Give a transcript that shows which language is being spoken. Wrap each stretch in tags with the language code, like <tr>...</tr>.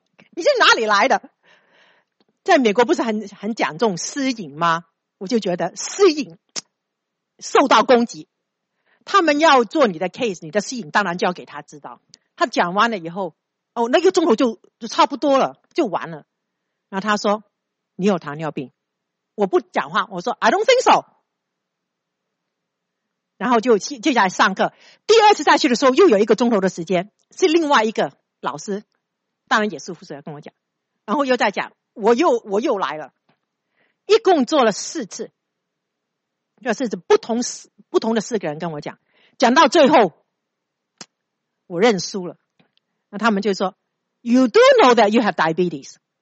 <zh>你是哪里来的？在美国不是很讲这种私隐吗？我就觉得私隐受到攻击。他们要做你的 case， 你的私隐当然就要给他知道。他讲完了以后，哦，那个钟头就差不多了，就完了。然后他说：“你有糖尿病。” 我不讲话，我说 ：</zh> <en>“I don't think so。”</en> <zh>然后就接下来上课。第二次再去的时候，又有一个钟头的时间，是另外一个老师，当然也是护士跟我讲。然后又再讲，我又来了，一共做了4次。就是不同的4个人跟我讲，讲到最后我认输了。那他们就说</zh> <en>You do know that you have diabetes。</en>